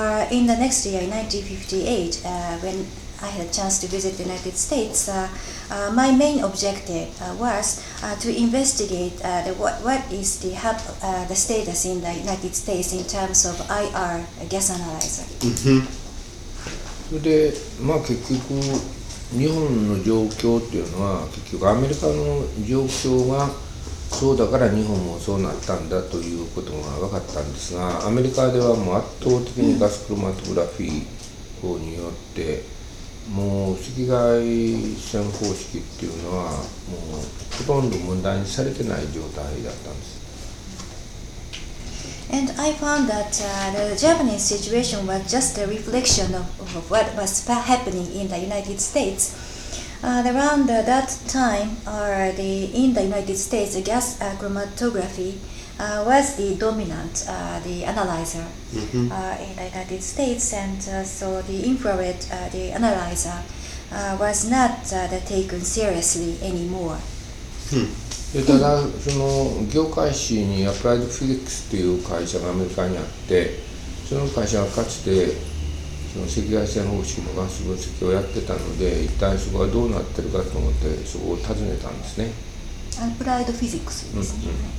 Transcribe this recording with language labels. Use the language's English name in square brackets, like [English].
[English] In the next year, 1958, when I had a chance to visit the United States, my main objective was to investigate what is the status in the United States in terms of IR gas analyzer. [Japanese] それで、まあ、結局日本の状況っていうのは結局アメリカの状況がそうだから日本もそうなったんだということが分かったんですが、アメリカではもう圧倒的にガスクロマトグラフィー法によってもう赤外線方式っていうのはもうほとんど問題にされてない状態だったんです。 [English] And I found that the Japanese situation was just a reflection of what was happening in the United States. Around that time, in the United States, the gas chromatography was the dominant the analyzer in the United States, and so the infrared the analyzer was not taken seriously anymore. [Japanese] ただその業界誌にアプライドフィジックスという会社がアメリカにあって、その会社はかつてその赤外線方式のガス分析をやってたので、一体そこがどうなってるかと思ってそこを尋ねたんですね。アプライドフィジックスですね。